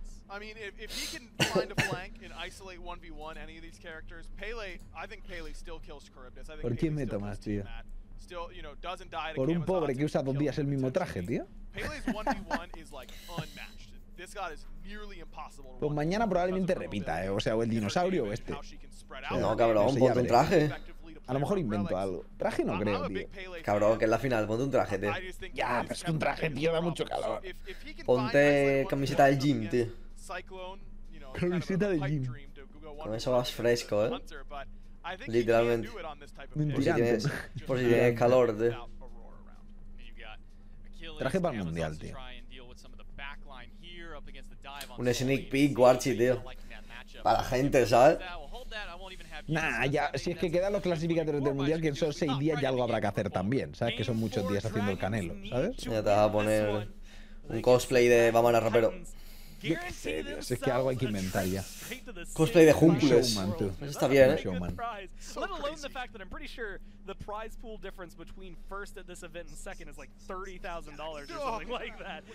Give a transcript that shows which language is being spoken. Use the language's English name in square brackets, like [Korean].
[English] I mean, if he can find a flank and isolate 1v1 any of these characters, Pele, I think Pele still kills Charybdis. [Spanish] ¿Por quién me tomas, tío? [English] Still, you know, doesn't die. [Spanish] Por un pobre que usa dos días el mismo traje, tío. [English] Pele's 1v1 is like unmatched. This god is nearly impossible. [Spanish] Pues mañana probablemente repita, o sea, o el dinosaurio o este. No, cabrón, ponte un traje. A lo mejor invento algo. Traje no creo, tío. Cabrón, que es la final, ponte un traje, tío. Ya, pero es que un traje, tío, da mucho calor. Ponte camiseta del gym, tío. Camiseta de gym. Con eso vas fresco, ¿eh? Literalmente. Mentira. Por si tienes calor, tío. Traje para el mundial, tío. Un [English] sneak peek, [Spanish] Guarchi, tío. Para la gente, ¿sabes? Nah, ya, si es que quedan los clasificatorios del mundial, que en esos 6 días ya algo habrá que hacer también. ¿Sabes? Que son muchos días haciendo el canelo, ¿sabes? Ya te vas a poner un cosplay de vamos a la rapero. Si es que algo hay que inventar ya. Cosplay de Junkles. Eso está bien, ¿eh? Showman. [English] Let alone the fact that I'm pretty sure the prize pool difference between first at this event and second is like $30,000 or something like that.